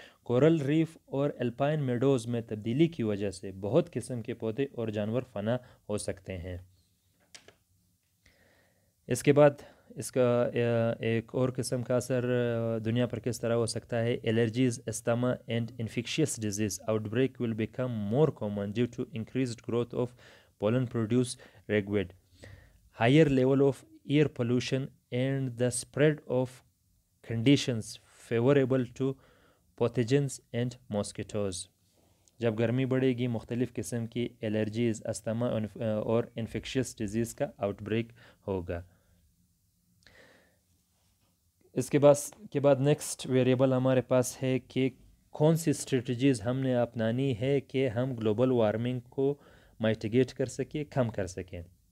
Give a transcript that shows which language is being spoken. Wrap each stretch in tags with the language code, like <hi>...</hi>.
<ur>Corel reef اور alpine Meadows میں تبدیلی کی وجہ سے بہت قسم کے پودے اور جانور فنا ہو سکتے ہیں. اس کے بعد اس کا ایک اور قسم کا اثر دنیا پر کس طرح ہو سکتا ہے,</ur> <en>Allergies, asthma and infectious disease outbreak will become more common due to increased growth of pollen produce ragweed, higher level of air pollution, and the spread of conditions favorable to pathogens and mosquitoes.</en> <ur>جب گرمی بڑھے گی مختلف قسم کی allergies asthma اور infectious disease کا out break ہوگا. اس کے بعد نیکسٹ ویریبل ہمارے پاس ہے کہ کون سی اسٹریٹجیز ہم نے اپنانی ہے کہ ہم گلوبل وارمنگ کو مائٹیگیٹ کر سکیں, کم کر سکیں.</ur>